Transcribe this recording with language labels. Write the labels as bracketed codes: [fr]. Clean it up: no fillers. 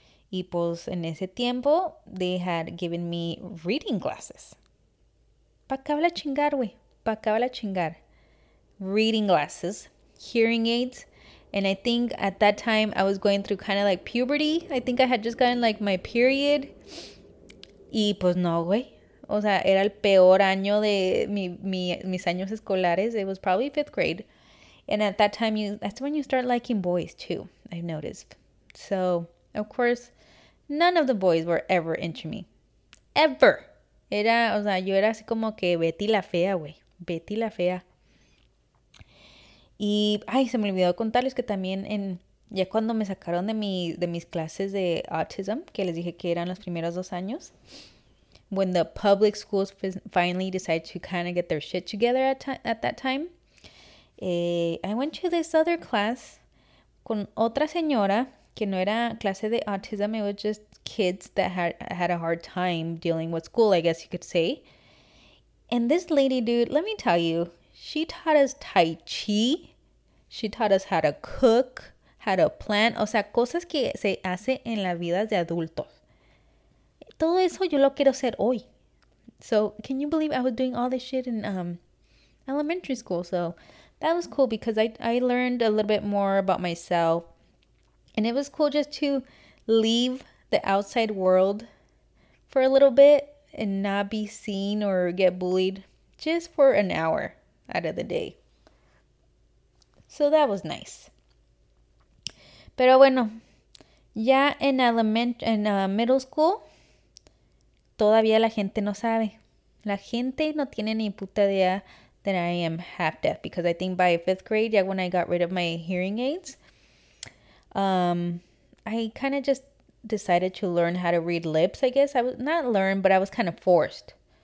[es] Y pues en ese tiempo, [en] they had given me reading glasses. [es] Pa' acabar la chingar. [en] Reading glasses, hearing aids. And I think at that time, I was going through kind of like puberty. I think I had just gotten like my period. [es] Y pues no, güey. O sea, era el peor año de mis años escolares. [en] It was probably 5th grade. And at that time, that's when you start liking boys too, I've noticed. So, of course, none of the boys were ever into me. Ever. [es] Era, o sea, yo era así como que Betty la fea, güey. Betty la fea. Y, ay, se me olvidó contarles que también ya cuando me sacaron de mis clases de autism, que les dije que eran los primeros 2 años, [en] when the public schools finally decided to kind of get their shit together at that time, I went to this other class [es] con otra señora que no era clase de autism. [en] It was just kids that had a hard time dealing with school, I guess you could say. And this lady, dude, let me tell you, she taught us Tai Chi. She taught us how to cook, how to plant. [es] O sea, cosas que se hace en la vida de adultos. Todo eso yo lo quiero hacer hoy. [en] So, can you believe I was doing all this shit in elementary school? So, that was cool because I learned a little bit more about myself. And it was cool just to leave the outside world for a little bit and not be seen or get bullied just for an hour out of the day. So that was nice. [es] Pero bueno, ya en middle school, todavía la gente no sabe. La gente no tiene ni puta idea [en] that I am half deaf. Because I think by fifth grade, yeah, when I got rid of my hearing aids, I kind of just decided to learn how to read lips, I guess. I was not learn, but I was kind of forced.